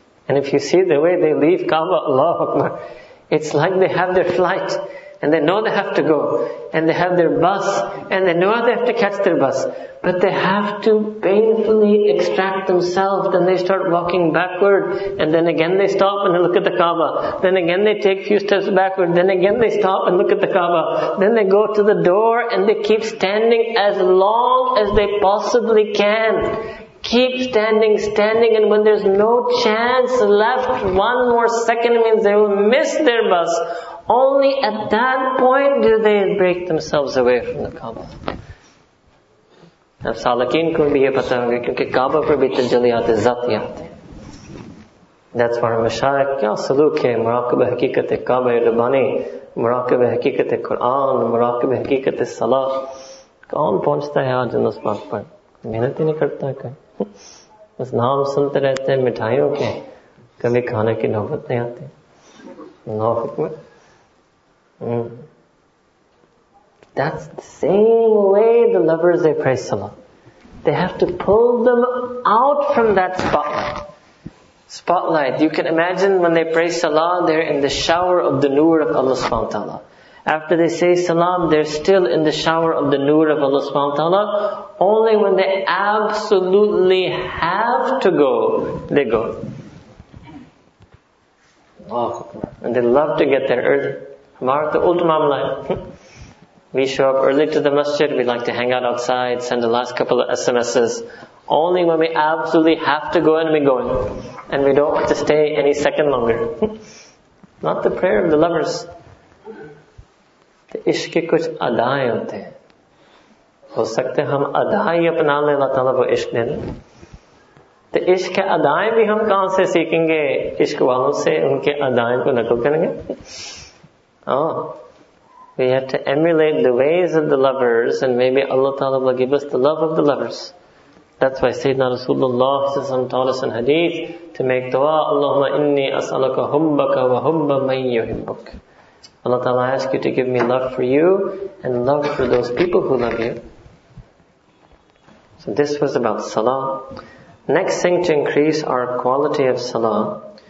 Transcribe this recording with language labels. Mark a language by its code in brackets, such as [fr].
[en] And if you see the way they leave Kaaba, Allahu Akbar, it's like they have their flight, and they know they have to go, and they have their bus, and they know they have to catch their bus, but they have to painfully extract themselves, then they start walking backward, and then again they stop and look at the Kaaba, then again they take a few steps backward, then again they stop and look at the Kaaba, then they go to the door, and they keep standing as long as they possibly can. Keep standing, standing, and when there's no chance left, one more second means they will miss their bus. Only at that point do they break themselves away from the Kaaba. [ur] Now, سالکین کو بھی یہ پتا ہوگا، کیونکہ کعبہ پر بھی تجلیاتِ ذات ہی آتے۔ [en] That's why [ur] مشائخ، کیا سلوک ہے، مراقبہ حقیقتِ کعبۂ ربانی، مراقبہ حقیقتِ قرآن، مراقبہ حقیقتِ صلوٰۃ۔ کون پہنچتا ہے آج اس بات پر؟ محنت ہی نہیں کرتا ہے۔ بس نام سنتے رہتے ہیں مٹھائیوں کے کبھی کھانے کی نوبت نہیں آتی نو حکمت [en] That's the same way the lovers, they pray salah. They have to pull them out from that spotlight. You can imagine when they pray salah, they're in the shower of the nur of Allah subhanahu wa ta'ala. After they say salam, they're still in the shower of the nur of Allah subhanahu wa ta'ala. Only when they absolutely have to go, they go. Oh, and they love to get there early. Mark the ultimate line. We show up early to the masjid, we like to hang out outside, send the last couple of SMSs. Only when we absolutely have to go, and we go. And we don't have to stay any second longer. Not the prayer of the lovers. [ur] عشق کے کچھ ادائیں ہوتے ہیں ہو سکتے ہم ادائیں اپنا لیں اللہ تعالیٰ وہ عشق دے دیں تو عشق کے ادائیں بھی ہم کہاں سے سیکھیں گے عشق والوں سے ان کے ادائیں کو نقل کریں گے [en] we have to emulate the ways of the lovers and maybe Allah تعالیٰ will give us the love of the lovers. That's why Sayyidina Rasulullah taught us in hadith to make dua, [ar] اللہم انی اسألک حبک و حب من یحبک. [en] Allah Ta'ala, I ask you to give me love for you and love for those people who love you. So this was about salah. Next thing to increase our quality of salah.